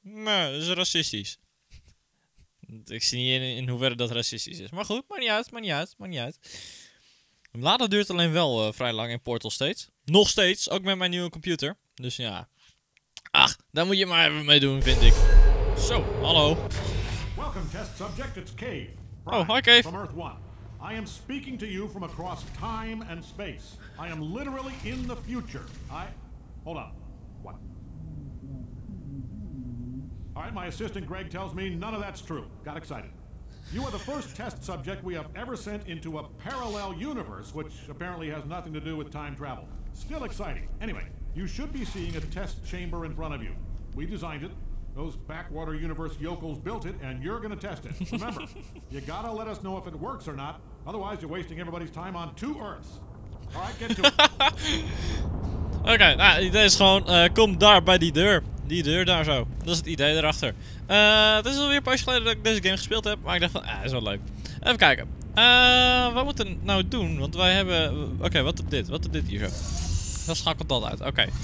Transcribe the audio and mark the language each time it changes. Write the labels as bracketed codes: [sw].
[nl] Nee, dat is racistisch. Ik zie niet in hoeverre dat racistisch is. Maar goed, maakt niet uit. Laden duurt alleen wel vrij lang in Portal steeds. Nog steeds, ook met mijn nieuwe computer. Dus ja. Ach, daar moet je maar even mee doen, vind ik. Zo, hallo. [en] Welcome test subject, it's Cave. Prime, oh, hi Cave. From Earth 1. I am speaking to you from across time and space. I am literally in the future. Hold on. What? All right, my assistant Greg tells me none of that's true. Got excited. You are the first test subject we have ever sent into a parallel universe, which apparently has nothing to do with time travel. Still exciting. Anyway, you should be seeing a test chamber in front of you. We designed it. Those backwater universe yokels built it, and you're gonna test it. Remember, you gotta let us know if it works or not. Otherwise, you're wasting everybody's time on two Earths. All right, get to it. [nl] Oké, okay, nou, het idee is gewoon, kom daar bij die deur. Die deur daar zo. Dat is het idee erachter. Het is alweer een paar jaar geleden dat ik deze game gespeeld heb, maar ik dacht van, is wel leuk. Even kijken. Wat moeten we nou doen? Want wij hebben... Oké, wat is dit? Wat is dit hier zo? Dat schakelt dat uit. Oké.